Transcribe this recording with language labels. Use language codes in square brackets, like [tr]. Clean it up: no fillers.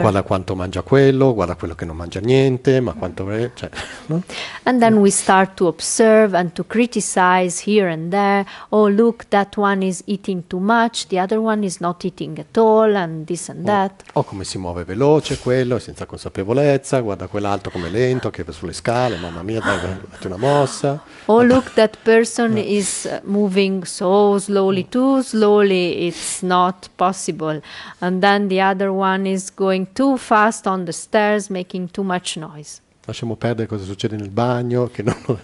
[it] guarda quanto mangia quello, guarda quello che non mangia niente, ma quanto è, cioè, no? [en] And then we start to observe and to criticize here and there. Oh, look, that one is eating too much, the other one is not eating at all, and this and that. [it] Oh, come si muove veloce quello, senza consapevolezza, guarda quell'altro come è lento, che va sulle scale, mamma mia, dai, metti una mossa. [en] Oh, look, that person is moving so slowly, too slowly, it's not possible. And then the other one is going too fast on the stairs, making too much noise. [it] Lasciamo perdere cosa succede nel bagno, che non